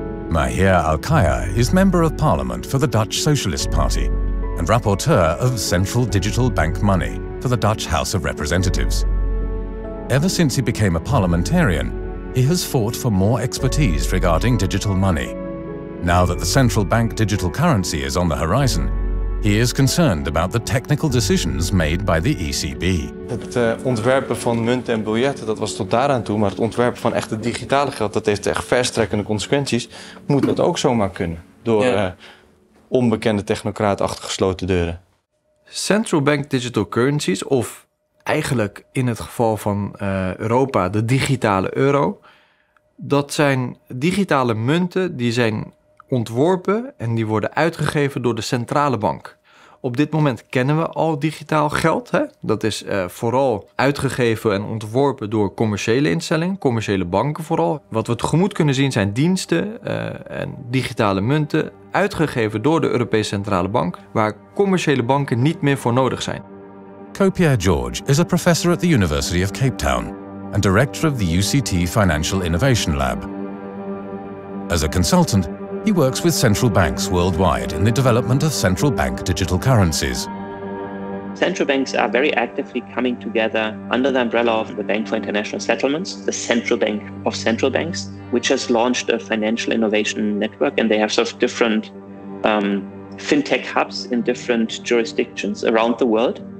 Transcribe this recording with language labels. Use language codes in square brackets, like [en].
[en] Mahir Alkaya is Member of Parliament for the Dutch Socialist Party and Rapporteur of Central Digital Bank Money for the Dutch House of Representatives. Ever since he became a parliamentarian, he has fought for more expertise regarding digital money. Now that the central bank digital currency is on the horizon, he is concerned about the technical decisions made by the ECB. [nl] Het ontwerpen van munten en biljetten, dat was tot daaraan toe, maar het ontwerpen van echte digitale geld, dat heeft echt verstrekkende consequenties, moet dat ook zomaar kunnen door onbekende technocraten achter gesloten deuren. Central bank digital currencies, of eigenlijk in het geval van Europa de digitale euro, dat zijn digitale munten die zijn ontworpen en die worden uitgegeven door de centrale bank. Op dit moment kennen we al digitaal geld. Hè? Dat is vooral uitgegeven en ontworpen door commerciële instellingen, commerciële banken vooral. Wat we tegemoet kunnen zien zijn diensten en digitale munten uitgegeven door de Europese Centrale Bank, waar commerciële banken niet meer voor nodig zijn. [en] Co-Pierre Georg is a professor at the University of Cape Town and director of the UCT Financial Innovation Lab. As a consultant, he works with central banks worldwide in the development of central bank digital currencies. Central banks are very actively coming together under the umbrella of the Bank for International Settlements, the Central Bank of Central Banks, which has launched a financial innovation network, and they have sort of different fintech hubs in different jurisdictions around the world.